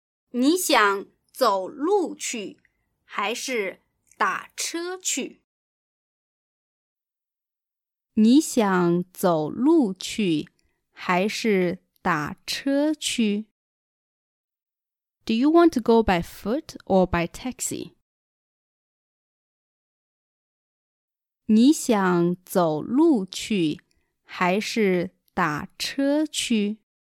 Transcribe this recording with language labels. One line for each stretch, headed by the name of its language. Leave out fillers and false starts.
Chinese: 你想走路去还是打车去？你想走路去还是打车去？
English: Do you want to go by foot or by taxi?
Chinese: 你想走路去还是打车去？